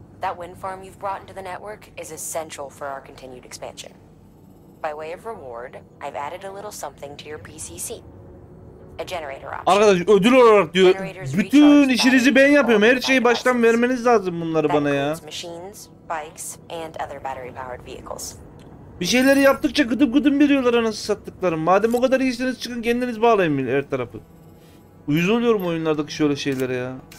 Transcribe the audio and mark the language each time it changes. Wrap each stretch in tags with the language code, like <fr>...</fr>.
<en>That wind farm you've brought into the network is essential for our continued expansion. By way of reward, I've added a little something to your PCC. A generator option.</en> <tr>Arkadaş, ödül olarak diyor. Bütün işinizi ben yapıyorum. Her şeyi baştan vermeniz lazım bunları bana ya.</tr> <en>Machines, bikes and other battery powered vehicles.</en> <tr>Bir şeyleri yaptıkça gıdım gıdım veriyorlar anasını sattıklarım. Madem o kadar iyisiniz, çıkın kendiniz bağlayın her tarafı. Uyuz oluyorum oyunlardaki şöyle şeylere ya.</tr>